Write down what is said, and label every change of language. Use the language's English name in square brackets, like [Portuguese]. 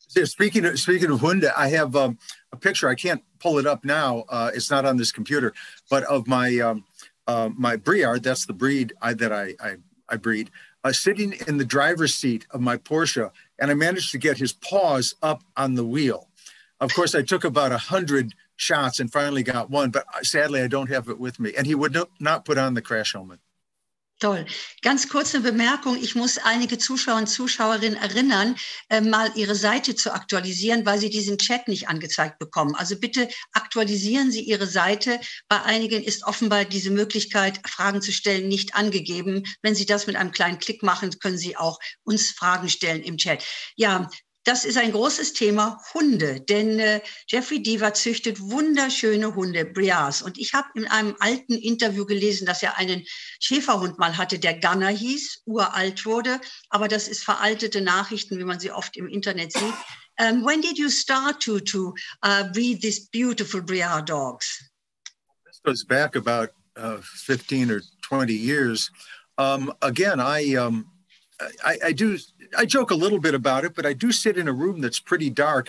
[English] Speaking of Hunde, I have a picture, I can't pull it up now, it's not on this computer, but of my my Briard, that's the breed I breed, sitting in the driver's seat of my Porsche. And I managed to get his paws up on the wheel. Of course, I took about 100 shots and finally got one, but sadly, I don't have it with me. And he would not put on the crash helmet. [German] Toll. Ganz kurz eine Bemerkung. Ich muss einige Zuschauer und Zuschauerinnen erinnern, mal ihre Seite zu aktualisieren, weil sie diesen Chat nicht angezeigt bekommen. Also bitte aktualisieren Sie Ihre Seite. Bei einigen ist offenbar diese Möglichkeit, Fragen zu stellen, nicht angegeben. Wenn Sie das mit einem kleinen Klick machen, können Sie auch uns Fragen stellen im Chat. Ja, das ist ein großes Thema, Hunde, denn Jeffery Deaver züchtet wunderschöne Hunde, Briars. Und ich habe in einem alten Interview gelesen, dass er einen Schäferhund mal hatte, der Gunner hieß, uralt wurde. Aber das ist veraltete Nachrichten, wie man sie oft im Internet sieht. [English] When did you start to breed these beautiful Briar dogs? This goes back about 15 or 20 years. I joke a little bit about it, but I do sit in a room that's pretty dark.